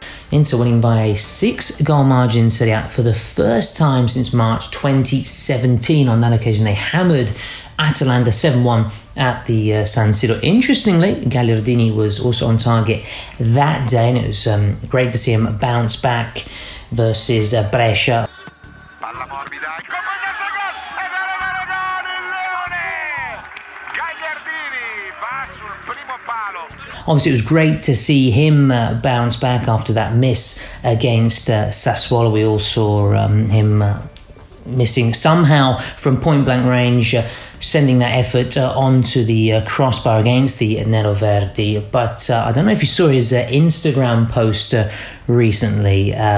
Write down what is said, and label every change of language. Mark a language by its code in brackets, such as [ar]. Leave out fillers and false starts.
[en] Inter winning by a 6-goal margin in Serie A for the first time since March 2017. On that occasion, they hammered Atalanta 7-1 at the San Siro. Interestingly, Gagliardini was also on target that day, and it was great to see him bounce back versus Brescia. [it] Palla morbida, il colpo di testa, gol! E gol, gol, gol, il Leone! Gagliardini va sul primo palo. [en] Obviously, it was great to see him bounce back after that miss against Sassuolo. We all saw him missing somehow from point-blank range, sending that effort onto the crossbar against the Neroverdi. But I don't know if you saw his Instagram post recently.